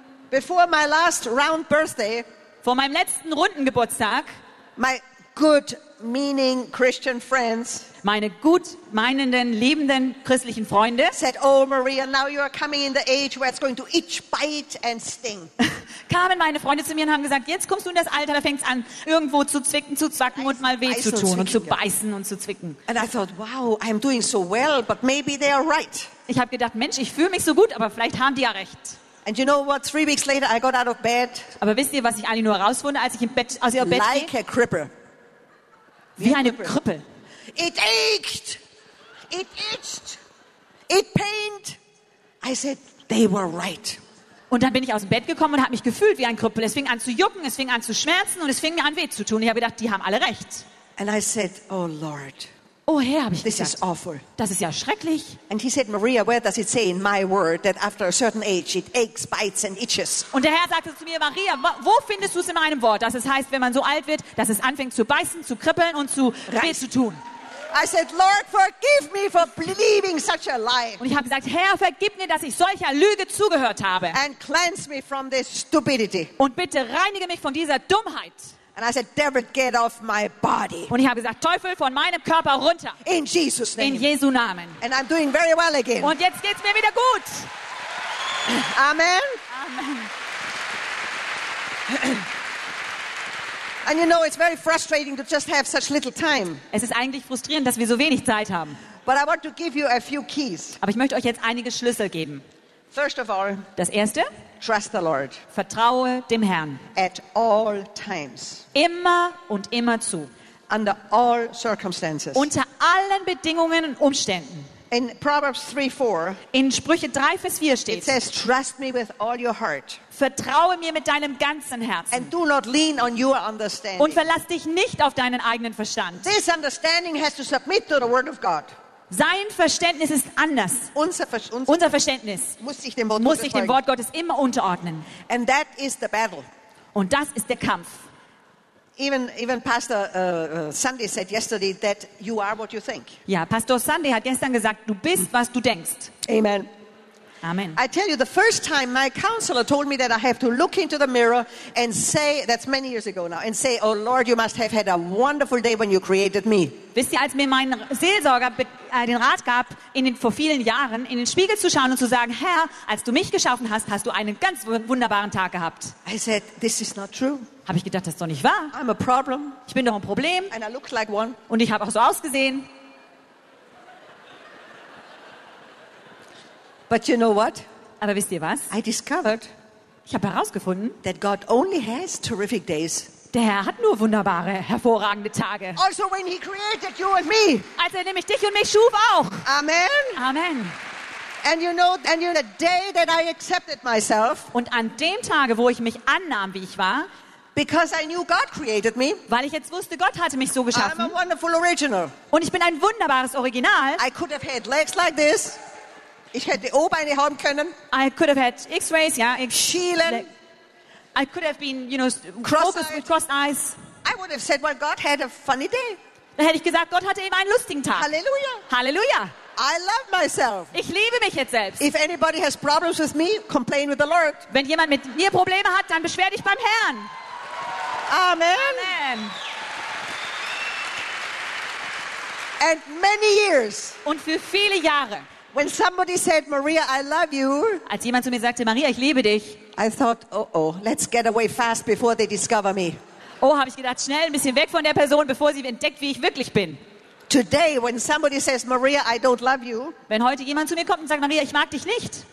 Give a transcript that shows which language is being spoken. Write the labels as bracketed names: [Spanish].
[English] Before my last round birthday, [German] vor meinem letzten runden Geburtstag, [English] my good meaning Christian friends, [German] meine gut meinenden, liebenden christlichen Freunde, [English] said, oh Maria, now you are coming in the age where it's going to itch, bite and sting. [German] Kamen meine Freunde zu mir und haben gesagt, jetzt kommst du in das Alter, da fängt es an, irgendwo zu zwicken, zu zwacken und mal weh zu tun und zu beißen und zu zwicken. [English] And I thought, wow, I'm doing so well, but maybe they are right. [German] Ich habe gedacht, Mensch, ich fühle mich so gut, aber vielleicht haben die ja recht. [English] And you know what? 3 weeks later, I got out of bed. [German] Aber wisst ihr, was ich eigentlich nur herausfunde, als ich im Bett aus ihrem Bett ging? [English] Like a cripple. [German] Wie eine Krüppel. [English] It ached. It itched. It pained. I said, they were right. [German] Und dann bin ich aus dem Bett gekommen und habe mich gefühlt wie ein Krüppel. Es fing an zu jucken, es fing an zu schmerzen und es fing mir an weh zu tun. Ich habe gedacht, die haben alle recht. [English] And I said, oh Lord. [German] Oh Herr, habe ich [English] this [German] gedacht. [English] Is awful. [German] Das ist ja schrecklich. [English] And he said, Maria, where does it say in my word that after a certain age it aches, bites and itches? [German] Und der Herr sagte zu mir, Maria, wo findest du es in meinem Wort, dass es heißt, wenn man so alt wird, dass es anfängt zu beißen, zu kribbeln und zu weh zu tun? [English] I said, Lord, forgive me for believing such a lie. [German] Und ich habe gesagt, Herr, vergib mir, dass ich solcher Lüge zugehört habe. [English] And cleanse me from this stupidity. [German] Und bitte reinige mich von dieser Dummheit. [English] And I said, "Devil, get off my body." [German] Und ich habe gesagt, Teufel, von meinem Körper runter. [English] In Jesus' name. [German] In Jesu Namen. [English] And I'm doing very well again. [German] Und jetzt geht's mir wieder gut. [English] Amen. [German] Amen. [English] And you know, it's very frustrating to just have such little time. [German] Es ist eigentlich frustrierend, dass wir so wenig Zeit haben. [English] But I want to give you a few keys. [German] Aber ich möchte euch jetzt einige Schlüssel geben. [English] First of all, [German] das erste, [English] trust the Lord. [German] Vertraue dem Herrn. [English] At all times. [German] Immer und immer zu. [English] Under all circumstances. [German] Unter allen Bedingungen und Umständen. [English] In Proverbs 3:4. [German] In Sprüche 3:4 steht. [English] It says, trust me with all your heart. [German] Vertraue mir mit deinem ganzen Herzen. [English] And do not lean on your understanding. [German] Und verlass dich nicht auf deinen eigenen Verstand. [English] This understanding has to submit to the word of God. [German] Sein Verständnis ist anders. Unser Verständnis muss sich dem Wort Gottes immer unterordnen. [English] And that is the battle. [German] Und das ist der Kampf. [English] Even Pastor Sunday said yesterday that you are what you think. [German] Ja, Pastor Sunday hat gestern gesagt, du bist, was du denkst. [English] Amen. [German] Amen. [English] I tell you, the first time my counselor told me that I have to look into the mirror and say, that's many years ago now, and say, oh Lord, you must have had a wonderful day when you created me. [German] Wisst ihr, als mir mein Seelsorger den Rat gab, vor vielen Jahren in den Spiegel zu schauen und zu sagen, Herr, als du mich geschaffen hast, hast du einen ganz wunderbaren Tag gehabt. [English] I said, this is not true. [German] Habe ich gedacht, das ist doch nicht wahr. [English] I'm a problem. [German] Ich bin doch ein Problem. [English] And I look like one. [German] Und ich habe auch so ausgesehen. [English] But you know what? [German] Aber wisst ihr was? [English] I discovered. [German] Ich habe herausgefunden, [English] that God only has terrific days. [German] Der Herr hat nur wunderbare, hervorragende Tage. [English] Also when he created you and me. [German] Als nämlich dich und mich schuf auch. [English] Amen. [German] Amen. [English] And you know the day that I accepted myself. [German] Und an dem Tage, wo ich mich annahm, wie ich war, [English] because I knew God created me. [German] Weil ich jetzt wusste, Gott hatte mich so geschaffen. [English] I'm a wonderful original. [German] Und ich bin ein wunderbares Original. [English] I could have had legs like this. [German] Ich hätte O-Beine haben können. [English] I could have had X-rays, yeah. [German] Schielen. [English] I could have been, you know, focused with crossed eyes. I would have said, well, God had a funny day. [German] Dann hätte ich gesagt, Gott hatte eben einen lustigen Tag. [English] Halleluja. [German] Halleluja. [English] I love myself. [German] Ich liebe mich jetzt selbst. [English] If anybody has problems with me, complain with the Lord. [German] Wenn jemand mit mir Probleme hat, dann beschwer dich beim Herrn. [English] Amen. [German] Amen. [English] And many years. [German] Und für viele Jahre. [English] When somebody said, Maria, I love you. [German] Als jemand zu mir sagte, Maria, ich liebe dich. [English] I thought, oh, let's get away fast before they discover me. [German] Oh, habe ich gedacht, schnell ein bisschen weg von der Person, bevor sie entdeckt, wie ich wirklich bin. [English] Today, when somebody says, Maria, I don't love you. [German] Wenn heute jemand zu mir kommt und sagt, Maria, ich mag dich nicht.